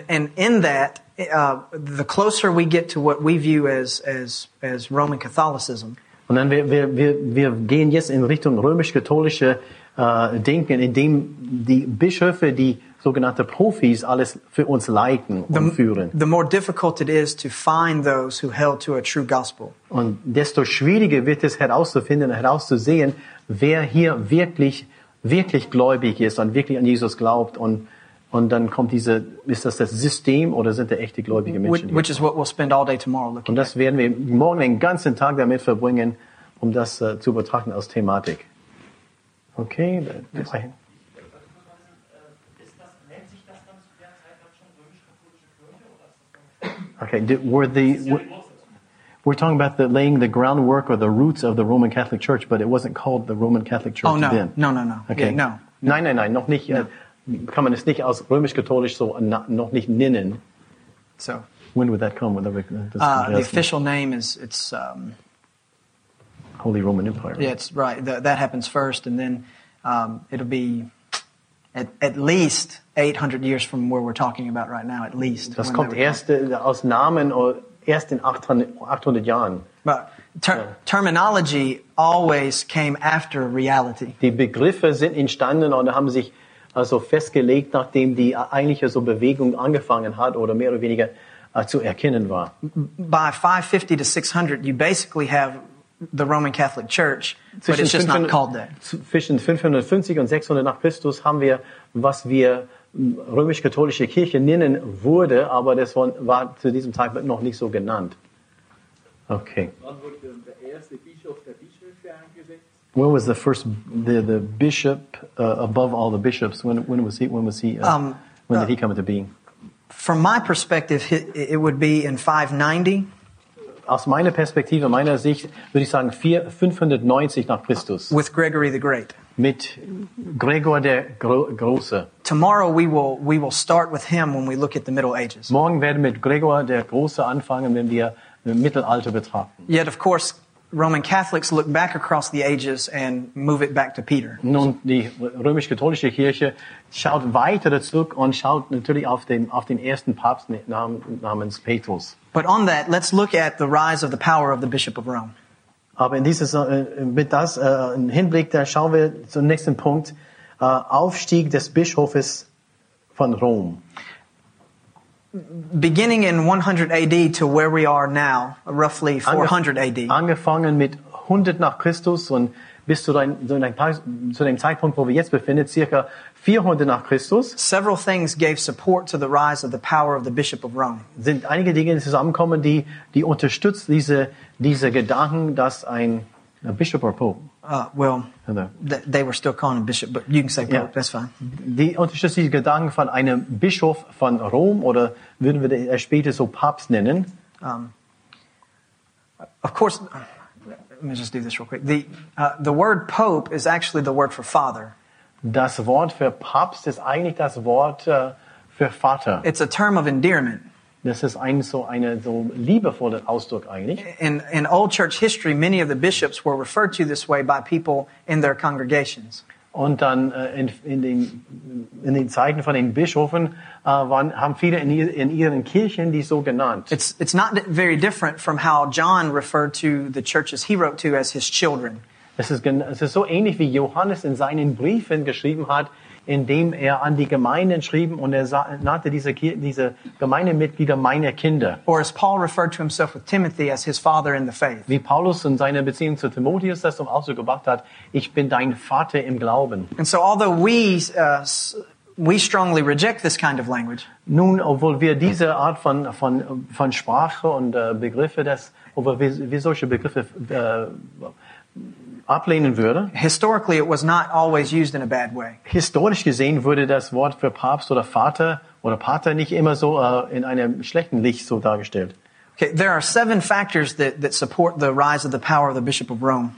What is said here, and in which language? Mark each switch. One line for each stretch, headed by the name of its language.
English: And in that, the closer we get to what we view as Roman Catholicism.
German: Und dann wir gehen jetzt in Richtung römisch-katholische Denken, in dem die Bischöfe, die sogenannte Profis, alles für uns leiten und führen.
English: The more difficult it is to find those who held to a true gospel.
German: Und desto schwieriger wird es herauszufinden, herauszusehen, wer hier wirklich, wirklich gläubig ist und wirklich an Jesus glaubt. Und dann kommt diese, ist das System oder sind da echte gläubige Menschen?
English: Which is what we'll spend all day tomorrow looking
German: at. Und das werden wir morgen den ganzen Tag damit verbringen, um das zu betrachten als Thematik.
English: Okay, okay, we're talking about the laying the groundwork or the roots of the Roman Catholic Church, but it wasn't called the Roman Catholic Church then. Oh, no. Okay, yeah, no.
German: Nein, nein, nein, noch nicht.
English: No.
German: Kann man es nicht aus römisch-katholisch so noch nicht nennen. So.
English: When would that come? The official name is, it's... Holy Roman Empire. Yeah, it's right. That happens first, and then it'll be... At least 800 years from where we're talking about right now, at least.
German: Das kommt erst aus Namen oder erst in 800 Jahren.
English: But terminology always came after reality.
German: Die Begriffe sind entstanden und haben sich also festgelegt, nachdem die eigentliche so Bewegung angefangen hat oder mehr oder weniger zu erkennen war.
English: By 550 to 600, you basically have the Roman Catholic Church, but it's just not called that.
German: Zwischen 550 und 600 nach Christus haben wir, was wir römisch-katholische Kirche nennen wurde, aber das war zu diesem Tag noch nicht so genannt. Okay. Wann wurde denn der erste Bischof der Bischöfe eingesetzt?
English: When was the first the bishop above all the bishops? When did he come into being? From my perspective, it would be in 590.
German: Aus meiner Perspektive, meiner Sicht, würde ich sagen 590 nach Christus.
English: With Gregory the Great.
German: Mit Gregor der Große.
English: Tomorrow we will start with him when we look at the Middle Ages.
German: Morgen werden wir mit Gregor der Große anfangen, wenn wir das Mittelalter betrachten.
English: Yet of course. Roman Catholics look back across the ages and move it back to Peter.
German: Nun, die römisch-katholische Kirche schaut weiter zurück und schaut natürlich auf den ersten Papst namens Petrus.
English: But on that, let's look at the rise of the power of the Bishop of Rome.
German: Aber in dieses mit das im Hinblick, da schauen wir zum nächsten Punkt, Aufstieg des Bischofes von Rom.
English: Beginning in 100 AD to where we are now, roughly 400 AD.
German: Angefangen mit 100 nach Christus und bis zu dem Zeitpunkt, wo wir jetzt befinden, circa 400 nach Christus.
English: Several things gave support to the rise of the power of the Bishop of Rome.
German: Sind einige Dinge zusammengekommen, die unterstützt diese Gedanken, dass ein
English: Bishop or Pope. Well, they were still calling him Bishop, but you can say Pope, yeah. That's fine.
German: Die unterschiedliche Gedanken von einem Bischof von Rom, oder würden wir das später so Papst nennen?
English: Of course, let me just do this real quick. The word Pope is actually the word for father.
German: Das Wort für Papst ist eigentlich das Wort für Vater.
English: It's a term of endearment.
German: Das ist so liebevoller Ausdruck eigentlich.
English: In old church history, many of the bishops were referred to this way by people in their congregations.
German: Und dann in den Zeiten von den Bischöfen haben viele in ihren Kirchen die so genannt.
English: It's not very different from how John referred to the churches he wrote to as his children.
German: Es ist so ähnlich, wie Johannes in seinen Briefen geschrieben hat, indem er an die Gemeinden schrieb und er nannte diese Gemeindemitglieder meine Kinder.
English: Or as Paul referred to himself with Timothy as his father in the faith.
German: Wie Paulus in seiner Beziehung zu Timotheus das zum Ausdruck gebracht hat, ich bin dein Vater im Glauben.
English: And so although we strongly reject this kind of language.
German: Nun, obwohl wir diese Art von Sprache und Begriffe, obwohl wir solche Begriffe ablehnen würde.
English: Historically, it was not always used in a bad way.
German: Historisch gesehen wurde das Wort für Papst oder Pater nicht immer so in einem schlechten Licht so dargestellt.
English: Okay, there are seven factors that support the rise of the power of the Bishop of Rome.